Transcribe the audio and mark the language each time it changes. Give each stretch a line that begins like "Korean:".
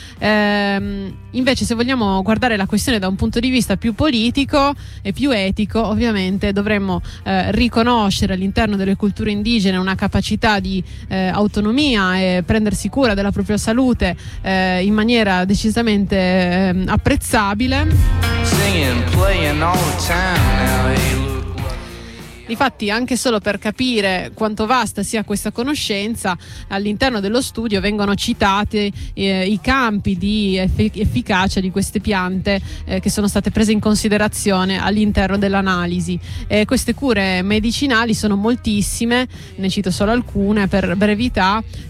Italian: Invece, se vogliamo guardare la questione da un punto di vista più politico e più etico, ovviamente dovremmo riconoscere all'interno delle culture indigene una capacità di autonomia e prendersi cura della propria salute in maniera decisamente apprezzabile.
English: Singing, playing all the time now, hey.
Italian: Difatti, anche solo per capire quanto vasta sia questa conoscenza, all'interno dello studio vengono citati i campi di efficacia di queste piante che sono state prese in considerazione all'interno dell'analisi. Queste cure medicinali sono moltissime, ne cito solo alcune per brevità.